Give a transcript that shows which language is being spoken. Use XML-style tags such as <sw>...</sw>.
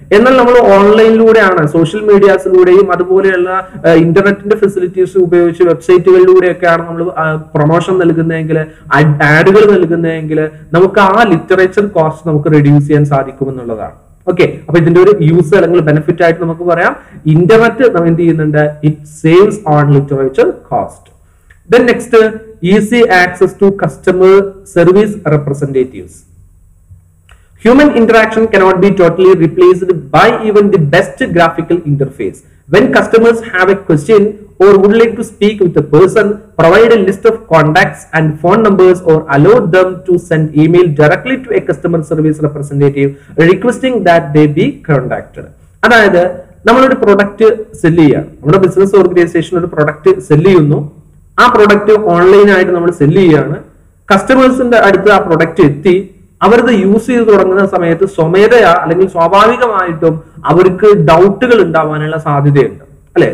<ml>എന്നാൽ നമ്മൾ ഓൺലൈനിലൂടെയാണ് സോഷ്യൽ മീഡിയാസിലൂടെയും അതുപോലെയുള്ള ഇന്റർനെറ്റിന്റെ ഫെസിലിറ്റീസ് ഉപയോഗിച്ച് വെബ്സൈറ്റുകളിലൂടെയൊക്കെയാണ് നമ്മൾ പ്രൊമോഷൻ നൽകുന്നതെങ്കിൽ, ആഡുകൾ നൽകുന്നതെങ്കിൽ, നമുക്ക് ആ ലിറ്ററേച്ചർ കോസ്റ്റ് നമുക്ക് റെഡ്യൂസ് ചെയ്യാൻ സാധിക്കുമെന്നുള്ളതാണ്. ഓക്കെ, അപ്പൊ ഇതിന്റെ ഒരു യൂസ് അല്ലെങ്കിൽ ബെനിഫിറ്റ് ആയിട്ട് നമുക്ക് പറയാം ഇന്റർനെറ്റ് നമ്മൾ എന്ത് ചെയ്യുന്നുണ്ട്,</ml> <en>It saves on literature cost. Then next, easy access to customer service representatives. Human interaction cannot be totally replaced by even the best graphical interface. When customers have a question or would like to speak with a person, provide a list of contacts and phone numbers or allow them to send email directly to a customer service representative requesting that they be contacted.</en> <ml>അതായത് നമ്മളൊരു product cell ചെയ്യുക, നമ്മുടെ business organisation ഒരു product cell ചെയ്യുന്നു, ആ product online ആയിട്ട് നമ്മൾ cell ചെയ്യുകയാണ്, കസ്റ്റമേഴ്സിന്റെ അടുത്ത് ആ പ്രൊഡക്റ്റ് എത്തി, അവരത് യൂസ് ചെയ്ത് തുടങ്ങുന്ന സമയത്ത് സ്വമേധയാ അല്ലെങ്കിൽ സ്വാഭാവികമായിട്ടും അവർക്ക് ഡൗട്ടുകൾ ഉണ്ടാവാനുള്ള സാധ്യതയുണ്ട് അല്ലെ.</ml>